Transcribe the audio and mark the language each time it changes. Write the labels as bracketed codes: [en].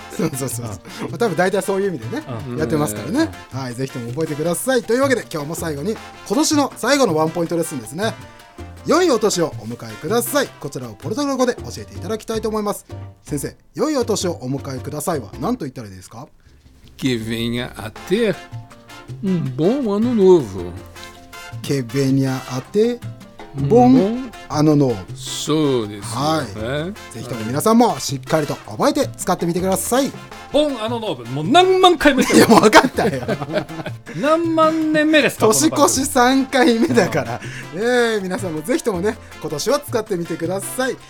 [ja] そうそうそう、うん、多分大体そういう意味でね、うん、やってますからね、うん、はい、ぜひとも覚えてください。というわけで今日も最後に今年の最後のワンポイントレッスンですね。良いお年をお迎えください。こちらをポルトガル語で教えていただきたいと思います。先生、良いお年をお迎えくださいは何と言ったらいいですか。 [pt] Que venha a ter um bom ano novo. Que venha a ter um bom ano novo. [ja] そうですね、はい、ぜひとも皆さんもしっかりと覚えて使ってみてください。ボンアノノーブ、もう何万回目。いや、分かったよ。何万年目ですか。年越し3回目だから、皆さんもぜひともね今年は使ってみてください。